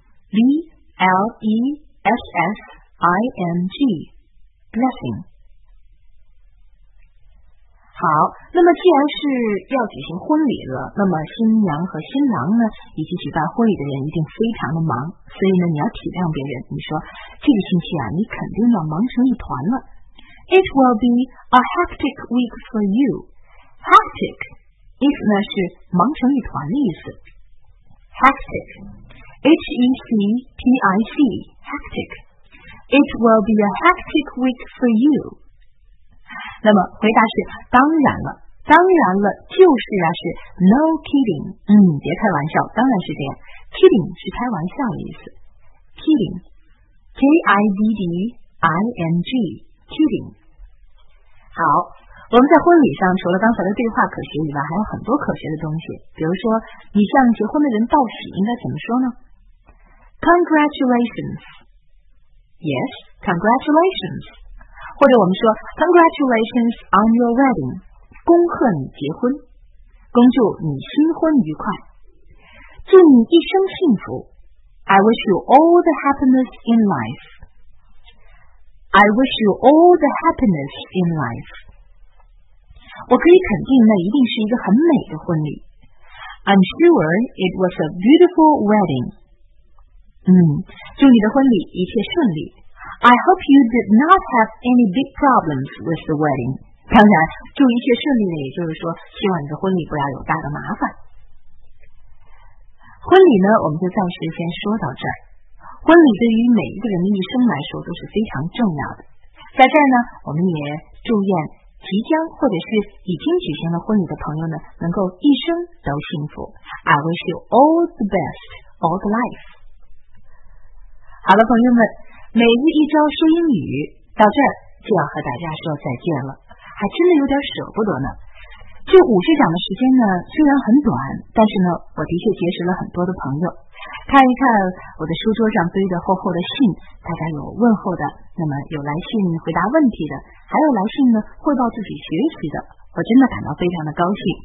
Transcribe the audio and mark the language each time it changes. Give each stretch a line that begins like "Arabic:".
English: B-L-E-S-S-I-N-G, blessing.
Chinese: 好，那么既然是要举行婚礼了，那么新娘和新郎呢，以及举办婚礼的人一定非常的忙，所以呢，你要体谅别人。你说，这个星期啊，你肯定要忙成一团了。
English: It will be a hectic week for you. Hectic.
Chinese: 意思呢是忙成一团的意思。
English: Hectic, H-E-C-T-I-C, hectic. It will be a hectic week for you.
Chinese: 那么回答是当然了，当然了，就是啊，是
English: no kidding.
Chinese: 别开玩笑，当然是这样。 Kidding 是开玩笑的意思。
English: Kidding, K-I-D-D-I-N-G, kidding.
Chinese: 好。我们在婚礼上除了刚才的对话可学以外，还有很多可学的东西。比如说，你向结婚的人道喜应该怎么说呢
English: ？Congratulations. Yes, congratulations.
Chinese: 或者我们说
English: Congratulations on your wedding.
Chinese: 恭贺你结婚，恭祝你新婚愉快，祝你一生幸福。
English: I wish you all the happiness in life. I wish you all the happiness in life.
Chinese: 我可以肯定，那一定是一个很美的婚礼。
English: I'm sure it was a beautiful wedding.
Chinese: 祝你的婚礼一切顺利。
English: I hope you did not have any big problems with the wedding.
Chinese: 当然，祝一切顺利的，也就是说，希望你的婚礼不要有大的麻烦。婚礼呢，我们就暂时先说到这儿。婚礼对于每一个人的一生来说都是非常重要的。在这儿呢，我们也祝愿即将或者是已经举行了婚礼的朋友呢，能够一生都幸福。
English: I wish you all the best, all the life.
Chinese: 好了，朋友们，每日一招说英语到这儿就要和大家说再见了，还真的有点舍不得呢。这50讲的时间呢，虽然很短，但是呢，我的确结识了很多的朋友。看一看我的书桌上堆的厚厚的信，大家有问候的，那么有来信回答问题的，还有来信呢汇报自己学习的，我真的感到非常的高兴。